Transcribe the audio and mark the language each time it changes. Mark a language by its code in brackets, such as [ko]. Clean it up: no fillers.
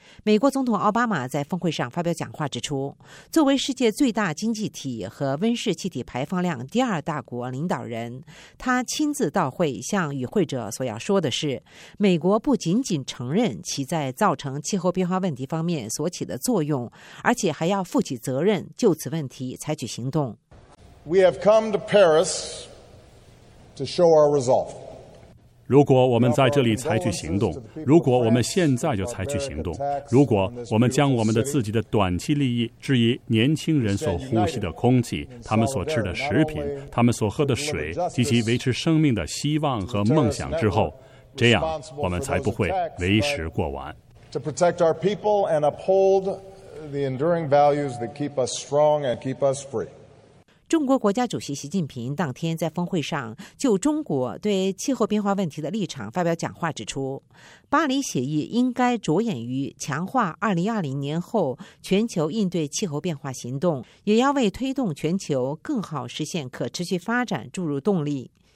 [zh] 美国总统奥巴马在峰会上发表讲话指出，作为世界最大经济体和温室气体排放量第二大国领导人，他亲自到会向与会者所要说的是，美国不仅仅承认其在造成气候变化问题方面所起的作用，而且还要负起责任，就此问题采取行动。 [en] We have come to Paris to show our resolve. [zh] 如果我们在这里采取行动，如果我们现在就采取行动，如果我们将我们的自己的短期利益置于年轻人所呼吸的空气、他们所吃的食品、他们所喝的水及其维持生命的希望和梦想之后，这样我们才不会为时过晚。 [en] To protect our people and uphold the enduring values that keep us strong and keep us free. [zh] 中国国家主席习近平当天在峰会上就中国对气候变化问题的立场发表讲话，指出巴黎协议应该着眼于强化2020年后全球应对气候变化行动，也要为推动全球更好实现可持续发展注入动力。